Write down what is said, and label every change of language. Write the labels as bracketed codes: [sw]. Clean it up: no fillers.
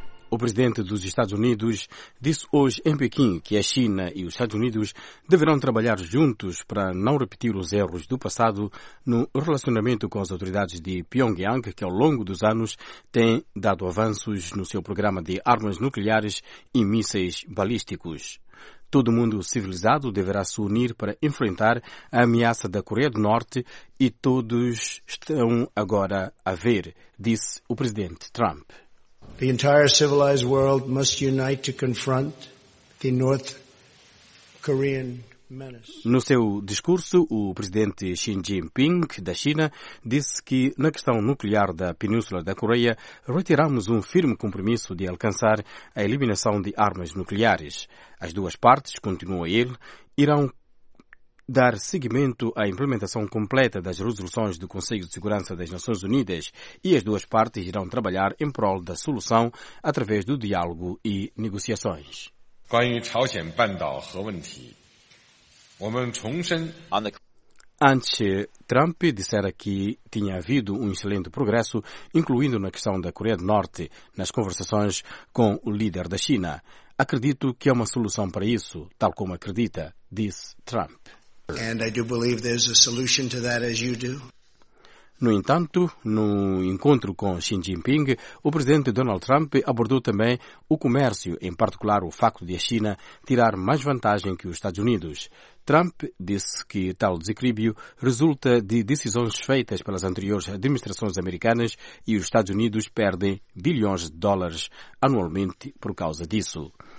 [pt] O presidente dos Estados Unidos disse hoje em Pequim que a China e os Estados Unidos deverão trabalhar juntos para não repetir os erros do passado no relacionamento com as autoridades de Pyongyang, que ao longo dos anos tem dado avanços no seu programa de armas nucleares e mísseis balísticos. Todo mundo civilizado deverá se unir para enfrentar a ameaça da Coreia do Norte e todos estão agora a ver, disse o presidente Trump. [en] The entire civilized world must unite to confront the North Korean menace. [pt] No seu discurso, o presidente Xi Jinping, da China, disse que na questão nuclear da Península da Coreia, retiramos um firme compromisso de alcançar a eliminação de armas nucleares. As duas partes, continua ele, irão dar seguimento à implementação completa das resoluções do Conselho de Segurança das Nações Unidas e as duas partes irão trabalhar em prol da solução através do diálogo e negociações. Antes, Trump dissera que tinha havido um excelente progresso, incluindo na questão da Coreia do Norte, nas conversações com o líder da China. Acredito que há uma solução para isso, tal como acredita, disse Trump. [en] And I do believe there's a solution to that, as you do. [pt] No entanto, no encontro com Xi Jinping, o presidente Donald Trump abordou também o comércio, em particular o facto de a China tirar mais vantagem que os Estados Unidos. Trump disse que tal desequilíbrio resulta de decisões feitas pelas anteriores administrações americanas e os Estados Unidos perdem bilhões de dólares anualmente por causa disso.